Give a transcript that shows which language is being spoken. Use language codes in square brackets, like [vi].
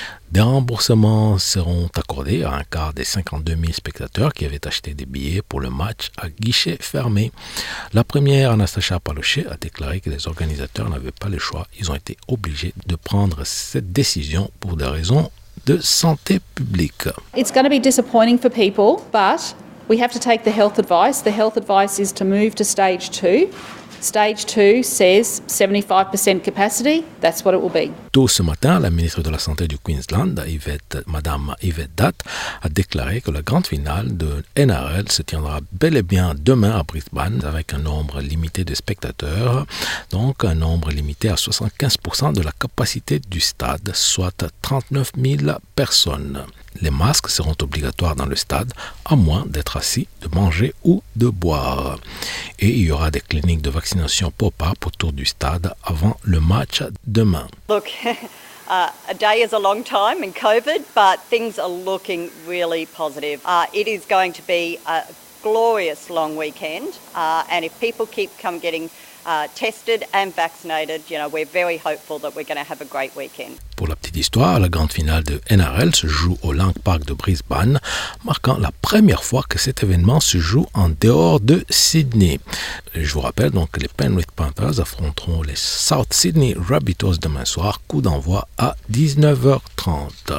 [fr] Des remboursements seront accordés à un quart des 52 000 spectateurs qui avaient acheté des billets pour le match à guichet fermé. La première, Anastasia Palochet, a déclaré que les organisateurs n'avaient pas le choix. Ils ont été obligés de prendre cette décision pour des raisons de santé publique. [en] It's going to be disappointing for people, but we have to take the health advice. The health advice is to move to stage 2. Stage 2 says 75% capacity, that's what it will be. [fr] Tôt ce matin, la ministre de la Santé du Queensland, Madame Yvette Datt, a déclaré que la grande finale de NRL se tiendra bel et bien demain à Brisbane avec un nombre limité de spectateurs, donc un nombre limité à 75% de la capacité du stade, soit 39 000 personnes. Les masques seront obligatoires dans le stade, à moins d'être assis, de manger ou de boire. Et il y aura des cliniques de vaccination pop-up autour du stade avant le match demain. [en] Look, a day is a long time in COVID, but things are looking really positive. It is going to be a glorious long weekend. And if people keep come getting tested and vaccinated, you know, we're very hopeful that we're going to have a great weekend. [fr] Pour la petite histoire, la grande finale de NRL se joue au Lang Park de Brisbane, marquant la première fois que cet événement se joue en dehors de Sydney. Je vous rappelle donc que les Penrith Panthers affronteront les South Sydney Rabbitohs demain soir, coup d'envoi à 19h30.